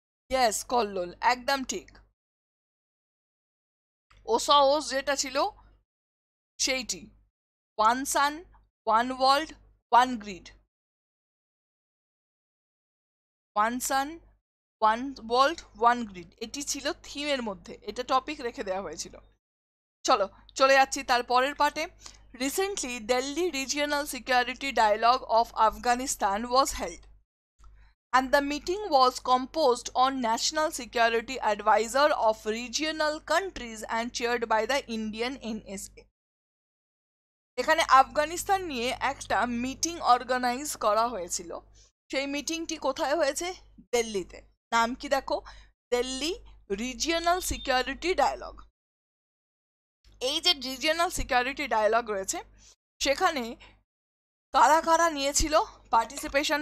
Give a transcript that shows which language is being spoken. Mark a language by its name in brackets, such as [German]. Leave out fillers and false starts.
[Bangla] Yes, Kallol, একদম ঠিক, ওসাওস যেটা ছিল সেইটি, [English] one sun one world one grid, [Bangla] one সান ওয়ান ওয়ার্ল্ড ওয়ান গ্রিড, এটি ছিল থিমের মধ্যে, এটা টপিক রেখে দেওয়া হয়েছিল। চলো চলে যাচ্ছি তার পরের পার্টে। Recently [English] Delhi regional security dialogue of Afghanistan was held, And the meeting was composed on National Security Advisor of Regional Countries and chaired by the Indian NSA. [Bangla] এখানে আফগানিস্তান নিয়ে একটা মিটিং অর্গানাইজ করা হয়েছিল, সেই মিটিংটি কোথায় হয়েছে? দিল্লিতে। নাম কি? দেখো, দিল্লি রিজিয়নাল সিকিউরিটি ডায়ালগ। এই যে রিজিয়নাল সিকিউরিটি ডায়ালগ রয়েছে, সেখানে কারা কারা নিয়েছিল পার্টিসিপেশন?